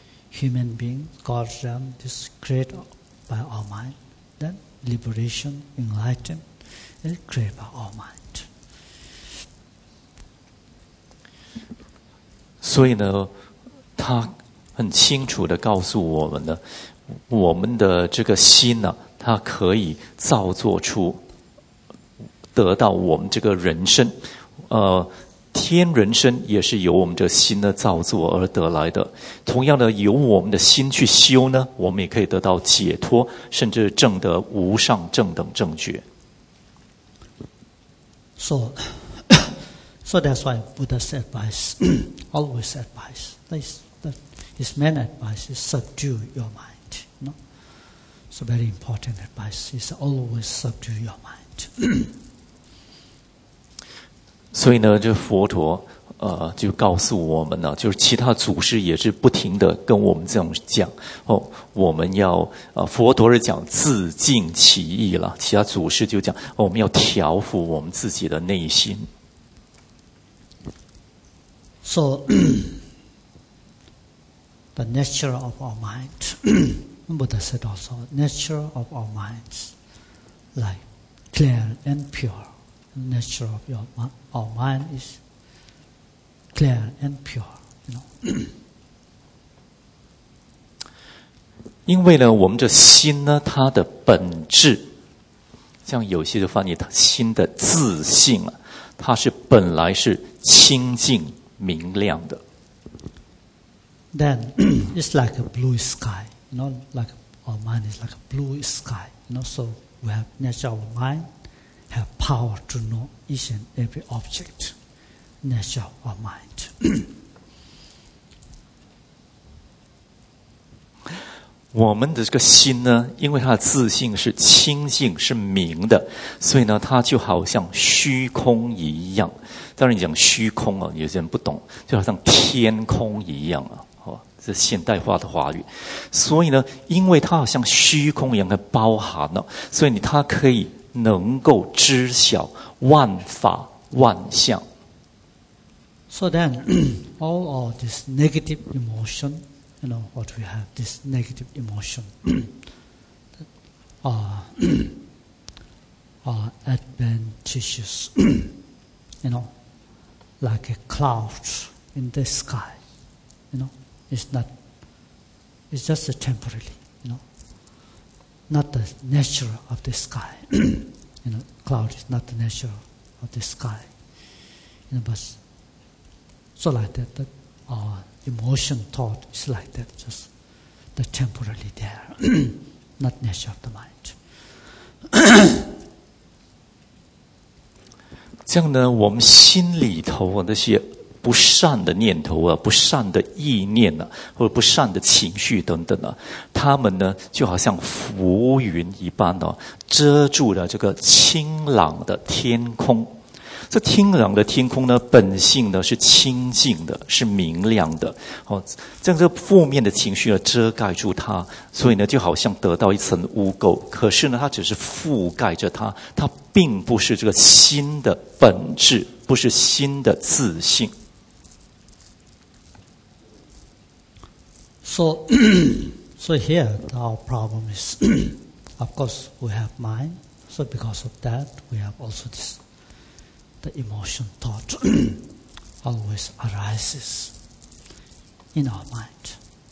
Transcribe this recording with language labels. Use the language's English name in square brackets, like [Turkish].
[English] Human beings, God's realm, this is created by our mind. Then liberation, enlightenment, is created by our mind. [Chinese] 所以呢，他很清楚地告诉我们呢，我们的这个心呢、啊他可以造作出得到我们这个人生，天人生也是由我们这心的造作而得来的，同样的由我们的心去修呢，我们也可以得到解脱，甚至证得无上正等正觉。 [English] So that's why Buddha's advice always advice that his main advice is subdue your mindIt's a very important advice. It's always subdue your mind. [Chinese] 所以呢，这佛陀就告诉我们呢，就是其他祖师也是不停的跟我们这样讲哦，我们要佛陀是讲自净其意了，其他祖师就讲、哦、我们要调伏我们自己的内心。 [English] So the nature of our mind. Buddha said also, nature of our minds, like clear and pure. Nature of our mind is clear and pure. You know? [Chinese] 因为呢，我们这心呢，它的本质，像有些的翻译，它心的自性啊，它是本来是清净明亮的。 [English] Then it's like a blue sky, you know, like our mind is like a blue sky, you know, so we have natural mind, have power to know each and every object, natural our mind. [Chinese] 我们的这个心呢，因为它的自性是清净是明的，所以呢它就好像虚空一样。当然你讲虚空啊，有些人不懂，就好像天空一样啊，哦，这现代化的话语。所以呢因为它好像虚空一样的包含了，所以你它可以能够知晓万法万象。 [English] So then, all of this negative emotion,You know, what we have, this negative emotion. adventitious. you know, like a cloud in the sky. You know, it's not, it's just a temporary, you know. Not the nature of the sky. you know, cloud is not the nature of the sky. You know, but so like that, that, emotion thought is like that, just the temporarily there, not nature of the mind. [Chinese] 这样呢，我们心里头啊，那些不善的念头啊，不善的意念啊，或者不善的情绪等等啊，他们呢，就好像浮云一般哦，遮住了这个清朗的天空。这清朗的天空呢，本性呢是清净的，是明亮的。好，这样这负面的情绪呢遮盖住它，所以呢就好像得到一层污垢。可是呢，它只是覆盖着它，它并不是这个心的本质，不是心的自性。 [English] So here our problem is, of course we have mind. So because of that, we have also this. The emotion thought always arises in our mind.